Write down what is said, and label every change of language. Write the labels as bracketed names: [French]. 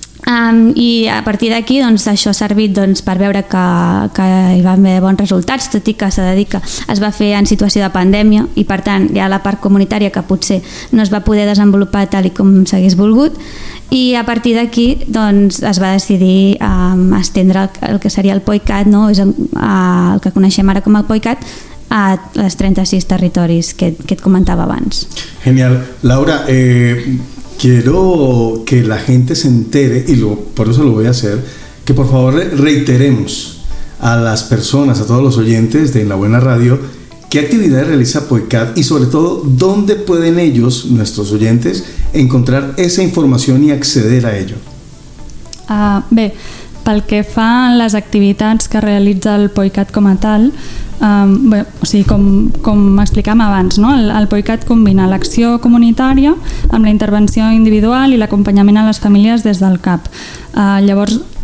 [Catalan] I a partir d'aquí, doncs, això ha servit, doncs, per veure que hi van haver bons resultats, tot i que s'ha de dir que es va fer en situació de pandèmia i, per tant, hi ha la part comunitària que potser no es va poder desenvolupar tal i com s'hagués volgut. I a partir d'aquí, doncs, es va decidir estendre el que seria el POICAT, no? És el que coneixem ara com el POICAT, a les 36 territoris que et comentava abans. Genial. [Spanish] Laura, quiero que la gente se entere, y por eso lo voy a hacer, que por favor reiteremos a las personas, a todos los oyentes de En la Buena Radio, qué actividades realiza POICAT y sobre todo, dónde pueden ellos, nuestros oyentes, encontrar esa información y acceder a ello. [Catalan] Bé, pel que fa a les activitats que realitza el POICAT com a tal, com explicàvem abans, no? El POICAT combina l'acció comunitària amb la intervenció individual i l'acompanyament a les famílies des del CAP. Llavors,